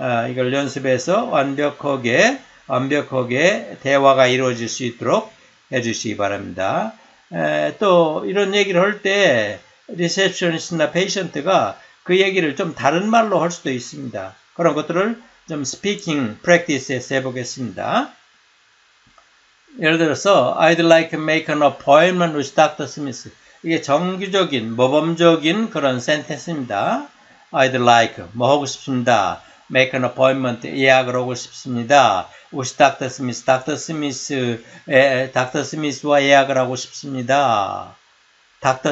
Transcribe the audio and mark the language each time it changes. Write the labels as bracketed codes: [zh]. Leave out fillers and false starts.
[ko] 이걸 연습해서 완벽하게 대화가 이루어질 수 있도록 해주시기 바랍니다. 또 이런 얘기를 할 때 리셉션이스트나 페이션트가 그 얘기를 좀 다른 말로 할 수도 있습니다. 그런 것들을 좀 스피킹 프랙티스에서 해보겠습니다. 예를 들어서 [en] I'd like to make an appointment with Dr. Smith. [ko] 이게 정규적인 모범적인 그런 센텐스입니다. [en] I'd like [ko] 뭐 하고 싶습니다. [en] make an appointment [ko] 예약을 하고 싶습니다. [en] With Dr. [ko] Smith, Dr. Smith와 예약을 하고 싶습니다. Dr.